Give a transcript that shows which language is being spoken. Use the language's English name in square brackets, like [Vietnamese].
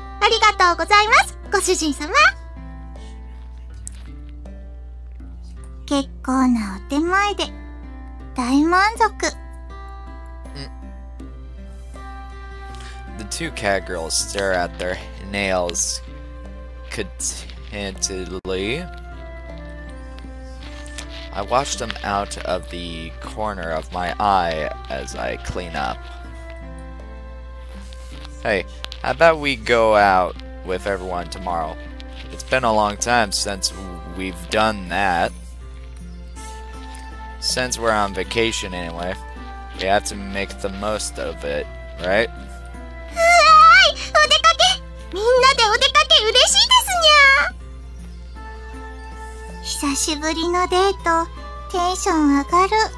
[Japanese] ありがとうございます、ご主人様。結構なお手前で、大満足。 [English] The two cat girls stare at their nails contentedly. I watch them out of the corner of my eye as I clean up. Hey, how about we go out with everyone tomorrow? It's been a long time since we've done that. Since we're on vacation anyway, we have to make the most of it, right? [Japanese] Hi! お出かけ! みんなでお出かけ嬉しいですにゃ! 久しぶりのデート、テンション上がる。